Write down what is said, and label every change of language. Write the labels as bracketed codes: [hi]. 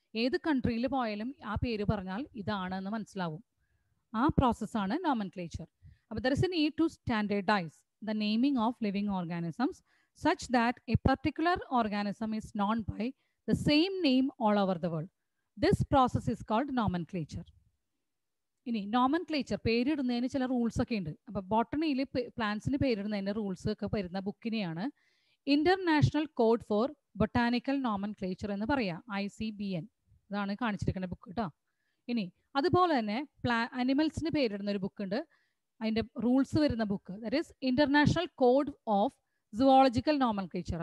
[ml] ഏത് കൺട്രിയിൽ പോയാലും ആ പേര് പറഞ്ഞാൽ ഇതാണ് എന്ന് മനസ്സിലാവും. ആ പ്രോസസ്സാണ് നോമൻക്ലേച്ചർ. [en] അപ്പം there is a need to standardise the naming of living organisms such that a particular organism is known by the same name all over the world. This process is called nomenclature. [ml] ഇനി nomenclature പേരിടുന്നതിന് ചില rules ഒക്കെ ഉണ്ട്. അപ്പോൾ ബോട്ടണിയിൽ പ്ലാന്റ്സിന് പേരിടുന്നതിൻ്റെ rules ഒക്കെ വരുന്ന ബുക്കിനെയാണ് international code four botanical nomenclature എന്ന് പറയുക, ICBN. അതാണ് കാണിച്ചിരിക്കുന്ന ബുക്ക് കേട്ടോ. ഇനി അതുപോലെ തന്നെ അനിമൽസിന് പേരിടുന്ന ഒരു ബുക്ക് ഉണ്ട്, അതിൻ്റെ റൂൾസ് വരുന്ന book, [en] That is international code of zoological nomenclature.